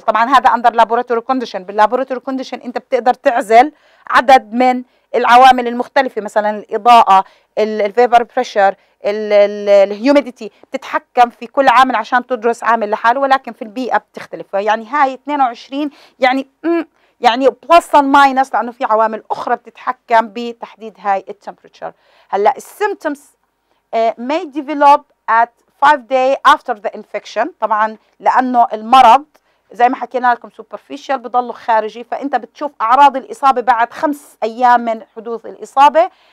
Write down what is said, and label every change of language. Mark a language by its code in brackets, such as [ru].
[ar] طبعا هذا اندر لابوراتوري كونديشن، باللابوراتوري كونديشن انت بتقدر تعزل عدد من العوامل المختلفه، مثلا الاضاءه، الفيبر بريشر، الهيوميديتي، بتتحكم في كل عامل عشان تدرس عامل لحاله، ولكن في البيئه بتختلف. يعني هاي 22 يعني بلس اند ماينس لانه في عوامل اخرى بتتحكم بتحديد هاي التمبريتشر. [en] هلا السيمبتومز may develop at 5 days after the infection. [ar] طبعا لانه المرض زي ما حكينا لكم سوبرفيشال بضله خارجي، فانت بتشوف اعراض الاصابه بعد 5 ايام من حدوث الاصابه.